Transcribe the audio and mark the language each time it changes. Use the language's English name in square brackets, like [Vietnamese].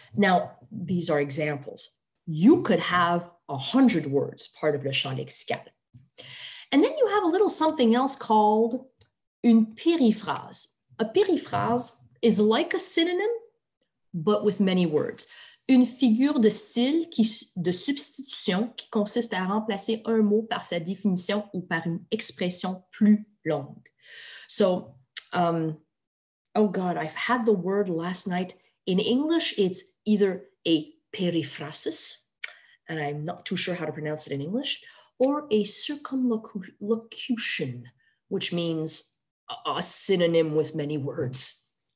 [English] Now, these are examples. You could have 100 words part of le champ lexical. And then you have a little something else called une périphrase. A périphrase is like a synonym, but with many words. [French] Une figure de style de substitution qui consiste à remplacer un mot par sa définition ou par une expression plus longue. [English] So, oh God, I've had the word last night. In English, it's either a periphrasis, and I'm not too sure how to pronounce it in English, or a circumlocution, which means a synonym with many words.